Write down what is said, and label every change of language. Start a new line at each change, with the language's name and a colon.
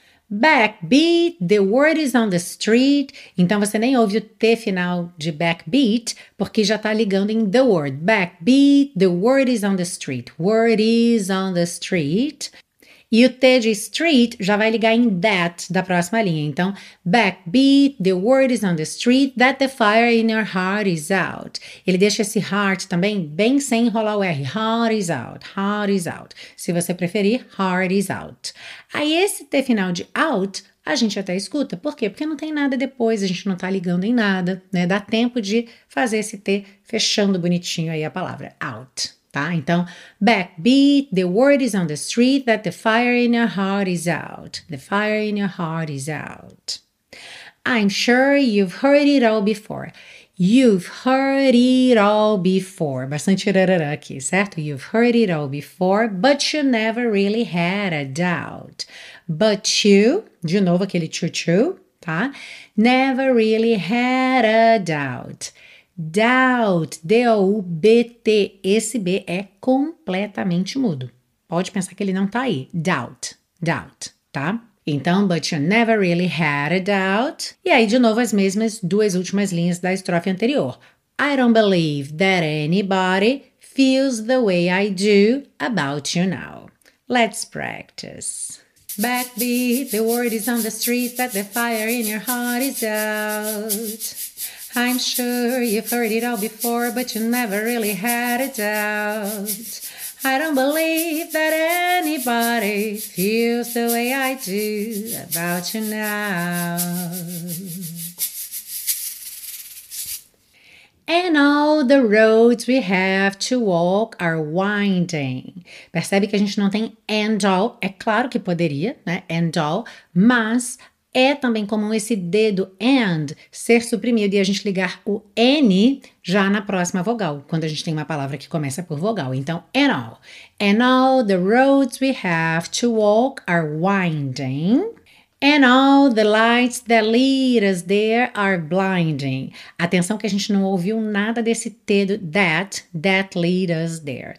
English: Backbeat, the word is on the street.
Portuguese: Então você nem ouve o T final de backbeat, porque já tá ligando em
English: the word. Backbeat, the word is on the street. Word is on the street.
Portuguese: E o T de street já vai ligar em that da próxima linha.
English: Então, backbeat, the word is on the street, that the fire in your heart is out.
Portuguese: Ele deixa esse heart também bem sem enrolar o R.
English: Heart is out, heart is out.
Portuguese: Se você preferir,
English: heart is out.
Portuguese: Aí esse T final de out, a gente até escuta. Por quê? Porque não tem nada depois, a gente não tá ligando em nada, né? Dá tempo de fazer esse T fechando bonitinho aí a palavra out. Tá?
English: Então, backbeat, the word is on the street that the fire in your heart is out. The fire in your heart is out. I'm sure you've heard it all before. You've heard it all before.
Portuguese: Bastante rarará aqui, certo?
English: You've heard it all before, but you never really had a doubt. But you,
Portuguese: de novo aquele tchu-tchu, tá?
English: Never really had a doubt.
Portuguese: Doubt, D-O-U-B-T, esse B é completamente mudo. Pode pensar que ele não tá aí. Doubt, doubt, tá?
English: Então, but you never really had a doubt.
Portuguese: E aí, de novo, as mesmas duas últimas linhas da estrofe anterior.
English: I don't believe that anybody feels the way I do about you now. Let's practice. Backbeat, the word is on the street that the fire in your heart is out. I'm sure you've heard it all before, but you never really had a doubt. I don't believe that anybody feels the way I do about you now. And all the roads we have to walk are winding.
Portuguese: Percebe que a gente não tem
English: and all.
Portuguese: É claro que poderia, né? And all. Mas é também comum esse dedo and ser suprimido e a gente ligar o N já na próxima vogal, quando a gente tem uma palavra que começa por vogal.
English: Então, and all. And all the roads we have to walk are winding. And all the lights that lead us there are blinding.
Portuguese: Atenção que a gente não ouviu nada desse T do that,
English: that lead us there.